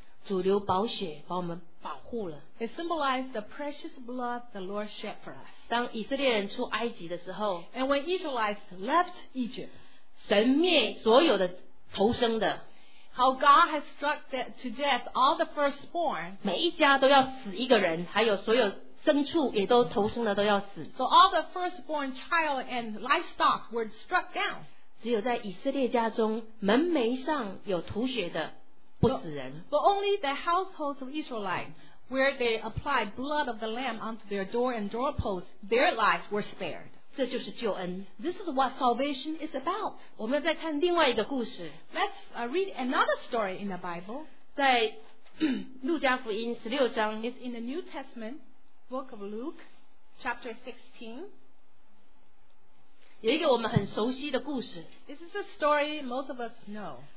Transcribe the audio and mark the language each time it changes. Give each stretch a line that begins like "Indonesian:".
Chinese: 主流宝血把我们保护了。
English: It symbolizes the precious blood the Lord shed for us.
Chinese: 当以色列人出埃及的时候，
English: And when Israelites left Egypt,
Chinese: 神灭所有的头生的，
English: How God has struck to death all the firstborn,
Chinese: 每一家都要死一个人，还有所有牲畜也都头生的都要死。
English: So all the firstborn child and livestock were struck down.
Chinese: 只有在以色列家中门楣上有吐血的不死人。
English: But only the households of Israelite where they applied blood of the lamb onto their door and doorpost, their lives were spared.
Chinese: 这就是救恩。
English: This is what salvation is about.
Chinese: 我们再看另外一个故事。
English: Let's read another story in the Bible.
Chinese: 在路加福音十六章。
English: It's in the New Testament, book of Luke, chapter 16.
Chinese: 有一个我们很熟悉的故事。
English: This is a story most of us know.